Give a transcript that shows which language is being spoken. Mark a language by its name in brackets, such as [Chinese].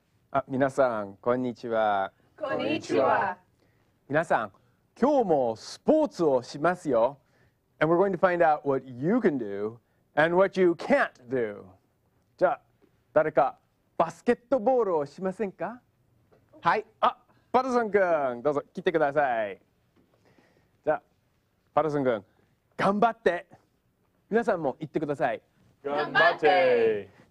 [Japanese] あ、皆さんこんにちは。こんにちは。皆さん、今日もスポーツをしますよ。 [English] And we're going to find out what you can do and what you can't do. [Japanese] じゃあ、誰かバスケットボールをしませんか？はい。あ、パトソン君、どうぞ来てください。じゃあ、パトソン君、頑張って。皆さんも言ってください。頑張って。